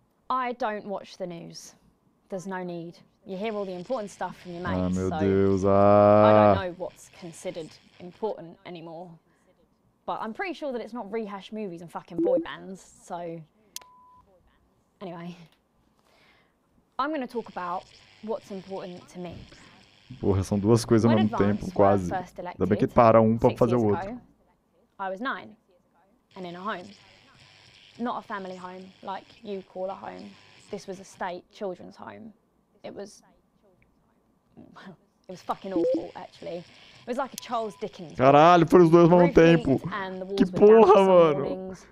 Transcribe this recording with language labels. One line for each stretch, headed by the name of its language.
English: I don't watch the news. There's no need. You hear all the important stuff from your mates,
Portuguese: ah, meu
English: so
Portuguese: Deus.
English: I don't know what's considered important anymore. But I'm pretty sure that it's not rehashed movies and fucking boy bands, so anyway. I'm gonna talk about what's important to me.
Portuguese: Porra, são duas coisas ao mesmo tempo, quase. Ainda bem que para um pra fazer o outro.
English: I was 9, and in a home. Not a family home, like you call a home. This was a state children's home. It was fucking awful, actually. It was like a Charles Dickens.
Portuguese: Caralho, foram os dois ao mesmo tempo. Que porra, mano.